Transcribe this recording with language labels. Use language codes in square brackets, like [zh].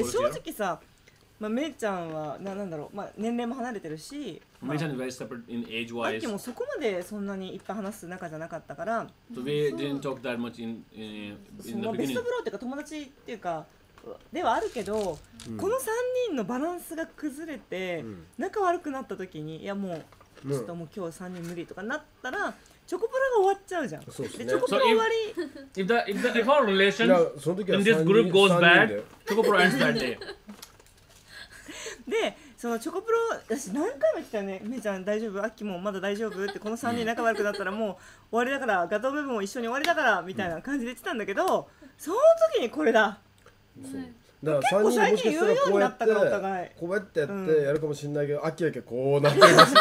[ja] Yeah, 正直さ、まあ、めいちゃんは、な、なんだろう、まあ、年齢も離れてるし、 [en] めいちゃんは very separate in age-wise. [ja] あっきもそこまでそんなにいっぱい話す仲じゃなかったから。 [en] So we didn't talk that much in the beginning. [ja] ベストブローっていうか、友達っていうか、ではあるけど、この3人のバランスが崩れて、仲悪くなった時に、いやもう、ちょっともう今日3人無理とかなったら、チョコプラが終わっちゃうじゃん。そうですね。で、チョコプラ終わり。 [en] So、if our relations in this group goes bad, チョコプラ ends that day. [ja] で、そのチョコプラ、私何回も言ってたよね。めいちゃん大丈夫、アッキーもまだ大丈夫って、この3人仲悪くなったらもう終わりだから、ガトーベブも一緒に終わりだから、みたいな感じで言ってたんだけど、その時にこれだ。そう、だから3人もしかしたらこうやってこうやってやってやるかもしれないけど、アッキーだけこうなってますよ。